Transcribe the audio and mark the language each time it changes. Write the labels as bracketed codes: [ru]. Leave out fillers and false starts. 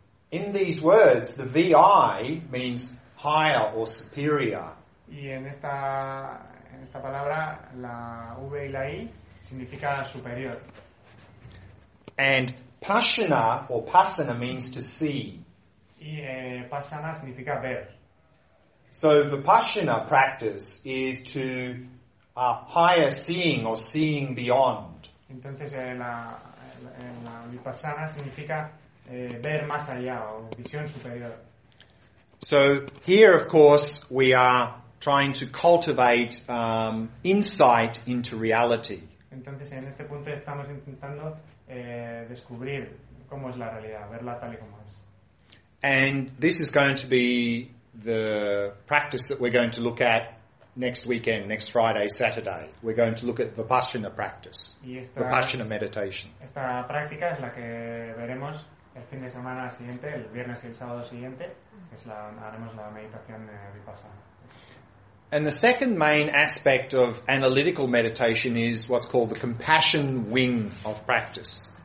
[en] In these words, the VI means higher or superior. [es] Y en esta palabra, la V y la I significa superior. [en] And pasana or pasana means to see. [es] Y pasana significa ver. [en] So the pasana practice is to a higher seeing or seeing beyond. [es] Entonces la vipassana significa ver más allá o visión superior. [en] So here, of course, we are trying to cultivate insight into reality. [es] Entonces, en este punto estamos intentando descubrir cómo es la realidad, verla tal y como es. [en] And this is going to be the practice that we're going to look at next weekend, next Friday, Saturday. We're going to look at Vipassana practice, Vipassana meditation. [es] Esta práctica es la que veremos el fin de semana siguiente, el viernes y el sábado siguiente, haremos la meditación Vipassana. [en] And the second main aspect of analytical meditation is what's called the compassion wing of practice.